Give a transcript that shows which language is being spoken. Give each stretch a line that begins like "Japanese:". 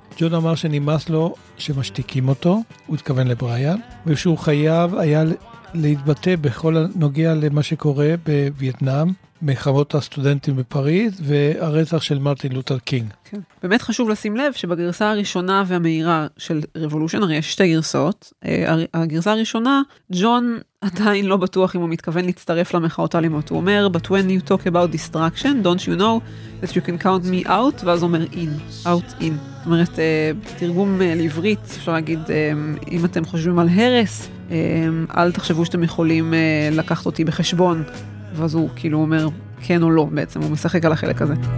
Hebrew: ג'ון אמר שנמאס לו שמשתיקים אותו, הוא התכוון לבריין, ושהוא חייב היה להתבטא בכל הנוגע למה שקורה בווייטנאם, מחמות הסטודנטים בפריז והרצח של מרטין לותר קינג. כן. באמת חשוב לשים לב שבגרסה הראשונה והמהירה של רבולושן, הרי יש שתי גרסאות, הגרסה הראשונה, ג'ון עדיין לא בטוח אם הוא מתכוון להצטרף למחאות האלימות. הוא אומר,
English: But when you talk about destruction, don't you know that you can count me out?
Hebrew: ואז אומר
English: in, out in.
Hebrew: זאת אומרת, תרגום לעברית, אפשר להגיד, אם אתם חושבים על הרס, אל תחשבו שאתם יכולים לקחת אותי בחשבון. ואז הוא כאילו אומר כן או לא, בעצם הוא משחק על החלק הזה.